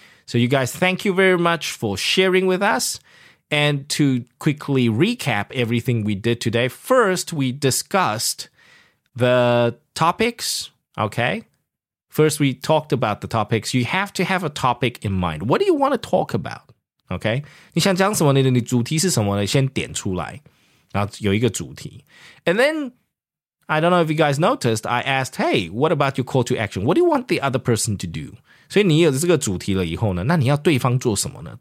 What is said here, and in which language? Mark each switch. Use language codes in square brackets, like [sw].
[en] So you guys, thank you very much for sharing with us. And to quickly recap everything we did today, first, we discussed the topics, okay? First, we talked about the topics. You have to have a topic in mind. What do you want to talk about, okay? [zh] 你想讲什么呢?你主题是什么呢?先点出来, 然后有一个主题. [en] And then, I don't know if you guys noticed, I asked, hey, what about your call to action? What do you want the other person to do? [zh] 所以你有这个主题了以后呢,那你要对方做什么呢?